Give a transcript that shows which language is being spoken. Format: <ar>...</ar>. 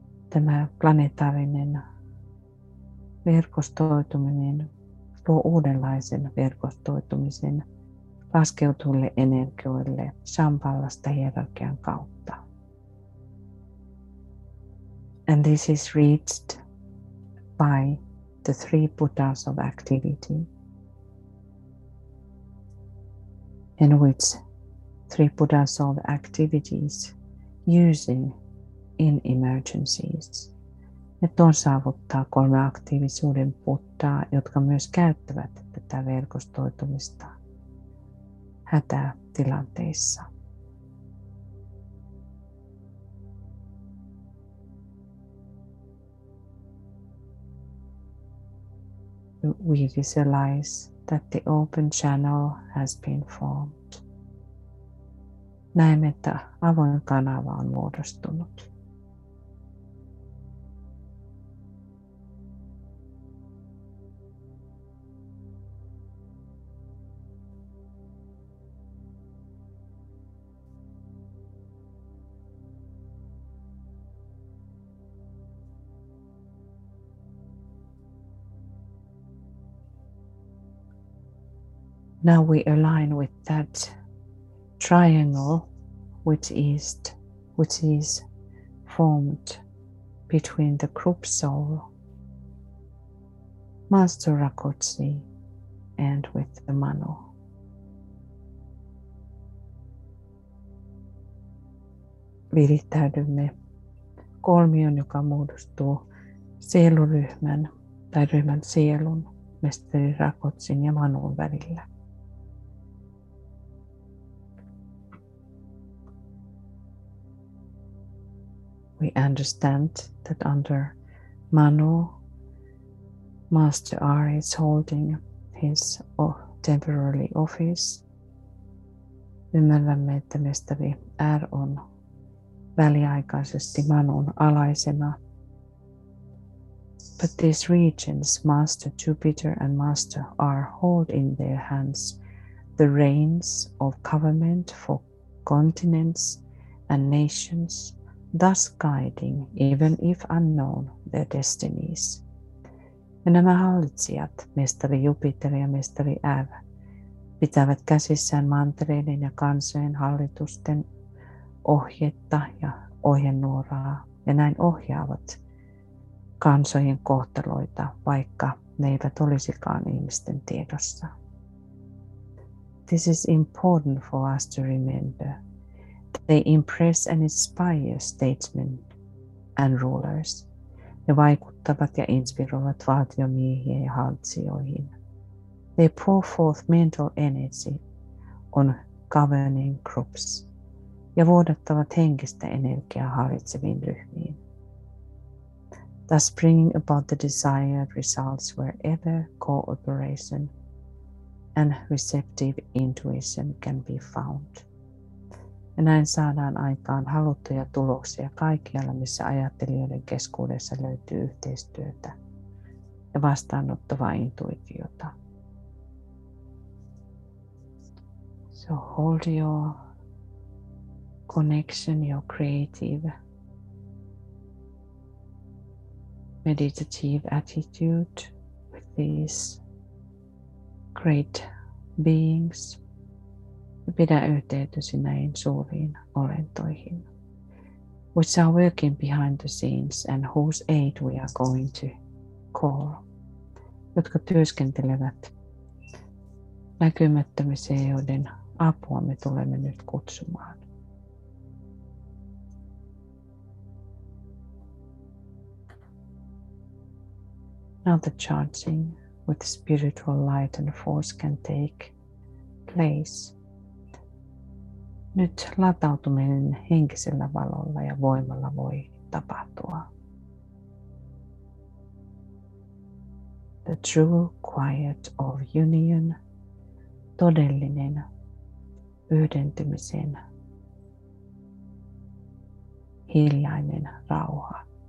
<fi>Tämä planeetaarinen verkostoituminen tuo uudenlaisen verkostoitumisen laskeutuville energioille Shambhalasta hierarkian kautta.</fi> <en>And this is reached by the three Buddhas of activity, in which three Buddhas of activities using in emergencies.</en> <fi>Ne tuon saavuttaa kolme aktiivisuuden puttaa, jotka myös käyttävät tätä verkostoitumista hätätilanteissa.</fi> <en>We visualize that the open channel has been formed.</en> <fi>Näemme, että avoin kanava on muodostunut.</fi> <en>Now we align with that triangle which is formed between the group soul, Master Rakotsi, and with the Mano.</en> <fi>Virittäydymme kolmion, joka muodostuu sieluryhmän tai ryhmän sielun, mestari Rakotsin ja Manon välillä.</fi> <en>We understand that under Manu, Master R is holding his temporary office.</en> <fi>Ymmärrämme, että mestari R on väliaikaisesti Manun alaisena.</fi> <en>But these regions, Master Jupiter and Master R, hold in their hands the reins of government for continents and nations, thus guiding, even if unknown, their destinies.</en> <fi>Ja nämä hallitsijat, mestari Jupiter ja mestari R, pitävät käsissään mantereiden ja kansojen hallitusten ohjetta ja ohjenuoraa, ja näin ohjaavat kansojen kohtaloita, vaikka ne eivät olisikaan ihmisten tiedossa.</fi> <en>This is important for us to remember. They impress and inspire statesmen and rulers.</en> <fi>Ne vaikuttavat ja inspiroivat valtiomiehiä ja hallitsijoihin.</fi> <en>They pour forth mental energy on governing groups</en> <fi>ja vuodattavat henkistä energiaa hallitseviin ryhmiin.</fi> <en>Thus bringing about the desired results wherever cooperation and receptive intuition can be found.</en> <fi>Ja näin saadaan aikaan haluttuja tuloksia kaikkialla, missä ajattelijoiden keskuudessa löytyy yhteistyötä ja vastaanottavaa intuitiota.</fi> <en>So hold your connection, your creative, meditative attitude with these great beings.</en> <fi>Pidä yhteytesi näihin suuriin olentoihin,</fi> <en>which are working behind the scenes and whose aid we are going to call.</en> <fi>Jotka työskentelevät näkymättömissä, joiden apua me tulemme nyt kutsumaan.</fi> <en>Now the charging with spiritual light and force can take place.</en> <fi>Nyt latautuminen henkisellä valolla ja voimalla voi tapahtua.</fi> <en>The true quiet of union,</en> <fi>todellinen yhdentymisen hiljainen rauha.</fi>